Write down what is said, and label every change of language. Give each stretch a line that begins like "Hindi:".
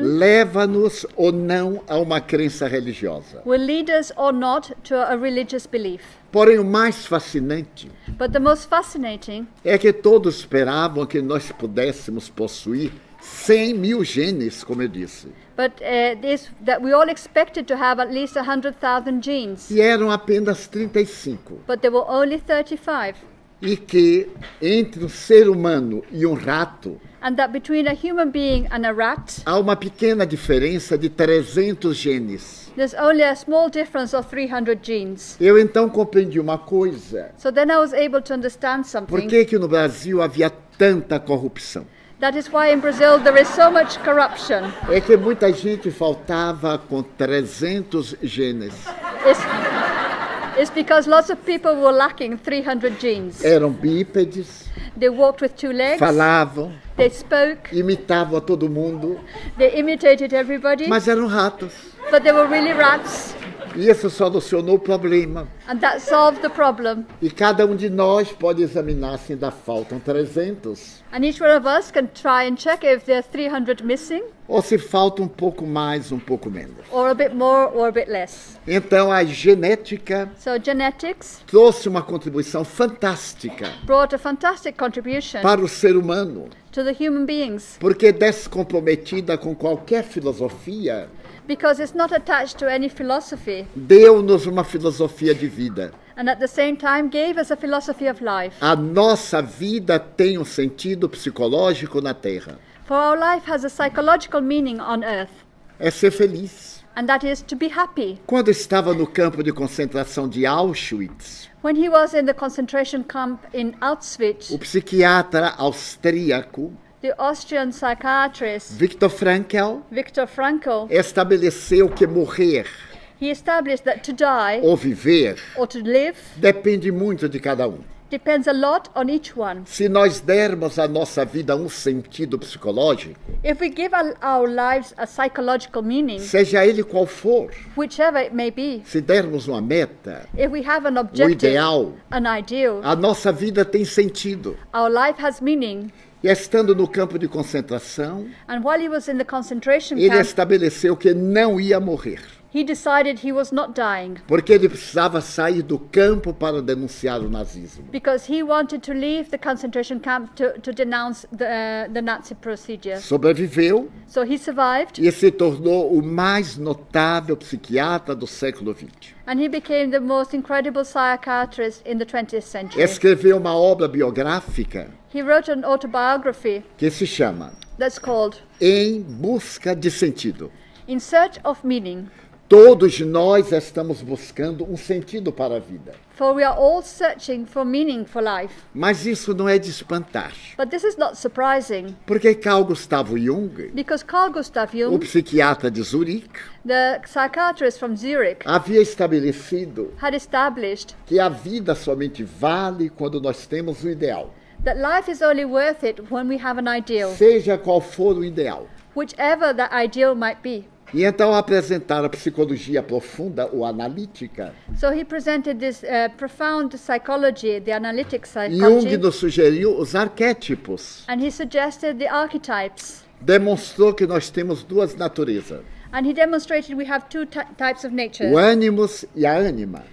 Portuguese: Leva-nos ou não a uma crença religiosa.
English: Will lead us or not to a religious belief.
Portuguese: Porém, o mais fascinante.
English: But the most fascinating.
Portuguese: É que todos esperavam que nós pudéssemos possuir 100 mil genes, como eu disse.
English: But this that we all expected to have at least 100,000 genes.
Portuguese: E eram apenas 35.
English: But there were only 35.
Portuguese: E que entre um ser humano e um rato,
English: and that between a human being and a rat,
Portuguese: há uma pequena diferença de 300 genes.
English: There's only a small difference of 300 genes.
Portuguese: Eu então compreendi uma coisa.
English: So then I was able to understand something.
Portuguese: Por que que no Brasil havia tanta corrupção?
English: That is why in Brazil there is so much corruption.
Portuguese: É que muita gente faltava com 300 genes.
English: It's because lots of people were lacking 300 genes.
Portuguese: Eram bípedes.
English: They walked with two legs.
Portuguese: Falavam.
English: They spoke.
Portuguese: Imitavam a todo mundo.
English: They imitated everybody.
Portuguese: Mas eram ratos.
English: But they were really rats.
Portuguese: E isso solucionou o problema.
English: And that solved the problem.
Portuguese: E cada de nós pode examinar se ainda faltam 300.
English: And each one of us can try and check if there are 300 missing.
Portuguese: Ou se falta um pouco mais, um pouco menos.
English: Or a bit more or a bit less.
Portuguese: Então a genética.
English: So genetics.
Portuguese: Trouxe uma contribuição fantástica.
English: Brought a fantastic contribution.
Portuguese: Para o ser humano.
English: To the human beings.
Portuguese: Porque descomprometida com qualquer filosofia.
English: Because it's not attached to any philosophy.
Portuguese: Deu-nos uma filosofia de vida.
English: And at the same time gave us a philosophy of life.
Portuguese: A nossa vida tem sentido psicológico na Terra.
English: For our life has a psychological meaning on Earth.
Portuguese: É ser feliz.
English: And that is to be happy.
Portuguese: Quando estava no campo de concentração de Auschwitz.
English: When he was in the concentration camp in Auschwitz.
Portuguese: O psiquiatra austríaco.
English: The Austrian psychiatrist
Portuguese: Viktor Frankl estabeleceu que morrer.
English: He established that to die
Portuguese: ou viver,
English: or to live
Portuguese: depende muito de cada
English: depends a lot on each one.
Portuguese: Se nós dermos a nossa vida sentido psicológico,
English: if we give our lives a psychological meaning,
Portuguese: seja ele qual for,
English: whichever it may be,
Portuguese: se dermos uma meta,
English: if we have an objective,
Portuguese: ideal,
English: an ideal,
Portuguese: a nossa vida tem sentido.
English: Our life has meaning.
Portuguese: E estando no campo de concentração,
English: and while he was in the concentration
Portuguese: ele
English: camp,
Portuguese: estabeleceu que não ia morrer.
English: He decided he was not dying.
Portuguese: Porque ele precisava sair do campo para denunciar o nazismo.
English: Because he wanted to leave the concentration camp to denounce the Nazi procedure.
Portuguese: Sobreviveu.
English: So he survived.
Portuguese: E se tornou o mais notável psiquiatra do século XX.
English: And he became the most incredible psychiatrist in the 20th century.
Portuguese: Escreveu uma obra biográfica.
English: He wrote an autobiography.
Portuguese: Que se chama?
English: That's called.
Portuguese: Em Busca de Sentido.
English: In Search of Meaning.
Portuguese: Todos nós estamos buscando sentido para a vida.
English: For we are all searching for meaning for life.
Portuguese: Mas isso não é de espantar.
English: But this is not surprising.
Portuguese: Porque Carl Gustav Jung,
English: because Carl Gustav Jung,
Portuguese: o psiquiatra de Zurique,
English: the psychiatrist from Zurich,
Portuguese: havia estabelecido,
English: had established,
Portuguese: que a vida somente vale quando nós temos ideal.
English: That life is only worth it when we have an ideal.
Portuguese: Seja qual for o ideal.
English: Whichever that ideal might be.
Portuguese: E então apresentar a psicologia profunda, ou analítica.
English: So he presented this profound psychology, the analytic psychology.
Portuguese: Jung nos sugeriu os arquétipos.
English: And he suggested the archetypes.
Portuguese: Demonstrou que nós temos duas naturezas.
English: And he demonstrated we have two types of nature.
Portuguese: O animus e a anima.